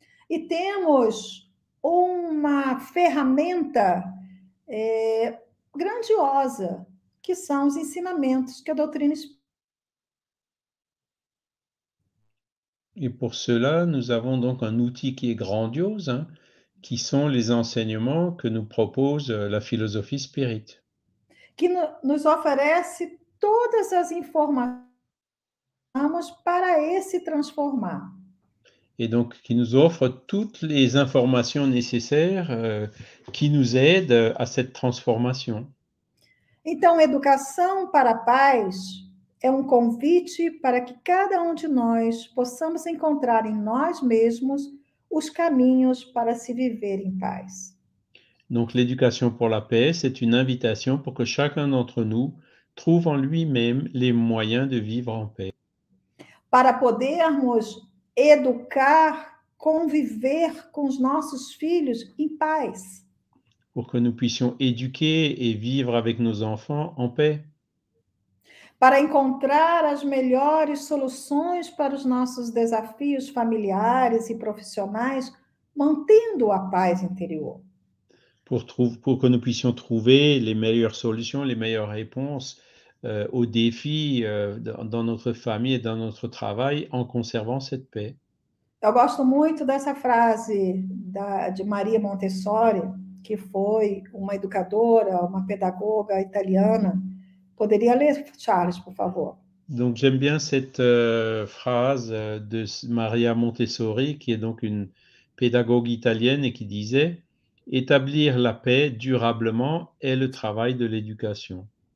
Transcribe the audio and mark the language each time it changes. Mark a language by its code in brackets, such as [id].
[pt] E temos uma ferramenta, grandiosa, que são os ensinamentos que a doutrina espírita. [fr] Et pour cela, nous avons donc un outil qui est grandiose, hein, qui sont les enseignements que nous propose la philosophie spirite. [pt] Que nos oferece todas as informações para esse transformar. [fr] Et donc, qui nous offre toutes les informations nécessaires, qui nous aident à cette transformation. [pt] Então, educação para a paz é um convite para que cada um de nós possamos encontrar em nós mesmos os caminhos para se viver em paz. [fr] Donc l'éducation pour la paix, c'est une invitation pour que chacun d'entre nous trouve en lui-même les moyens de vivre en paix. [pt] Para podermos educar, conviver com os nossos filhos em paz. [fr] Pour que nous puissions éduquer et vivre avec nos enfants en paix. [pt] Para encontrar as melhores soluções para os nossos desafios familiares e profissionais, mantendo a paz interior. [fr] Pour que nous puissions trouver les meilleures solutions, les meilleures réponses aux défis dans notre famille et dans notre travail en conservant cette paix. [pt] Eu gosto muito dessa frase de Maria Montessori, que foi uma educadora, uma pedagoga italiana. Poderia ler, Charles, por favor? [fr] Donc j'aime bien cette phrase de Maria Montessori, qui est donc une pédagogue italienne et qui disait: Établir la paix durablement est le travail de l'éducation.